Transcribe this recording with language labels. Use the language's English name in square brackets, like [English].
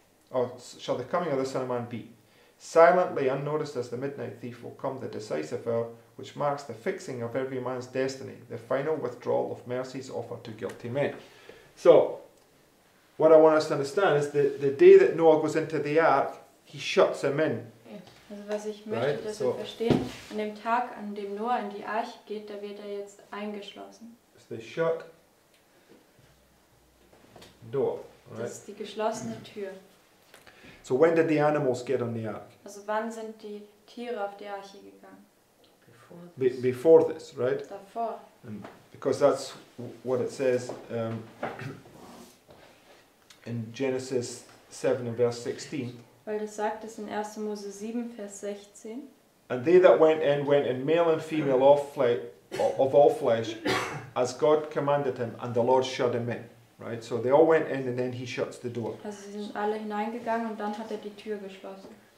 [English] Or shall the coming of the Son of Man be? Silently, unnoticed as the midnight thief, will come the decisive hour, which marks the fixing of every man's destiny, the final withdrawal of mercies offered to guilty men. So, what I want us to understand is the day that Noah goes into the ark, he shuts him in. [German] Also was ich möchte, right? Dass so, wir verstehen, an dem Tag, an dem Noah in die Arche geht, da wird jetzt eingeschlossen. [English] It's the shut door, right? [German] Das ist die geschlossene Tür. [English] So when did the animals get on the ark? [German] Also wann sind die Tiere auf die Arche gegangen? [English] Before this, right? [German] Davor. [English] And because that's what it says in Genesis 7 and verse 16. [German] Weil das sagt es in 1. Mose 7, Vers 16. [English] And they that went in male and female of all flesh, as God commanded him, and the Lord shut them in. Right? So they all went in, and then he shuts the door. [German] Also sie sind alle hineingegangen, und dann hat die Tür geschlossen.